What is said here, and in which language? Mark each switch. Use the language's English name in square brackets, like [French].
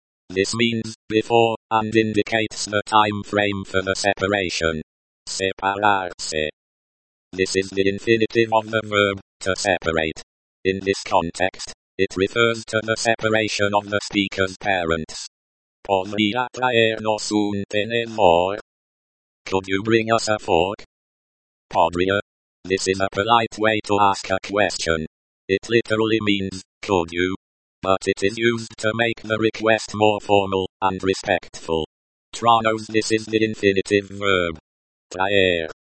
[English] This means, before, and indicates the time frame for the separation. Separarse. This is the infinitive of the verb, to separate. In this context, it refers to the separation of the speaker's parents. [Spanish] Podría traernos un tenedor? [English] Could you bring us a fork? Podría. This is a polite way to ask a question. It literally means, could you? But it is used to make the request more formal and respectful. Tranos, this is the infinitive verb. Traer.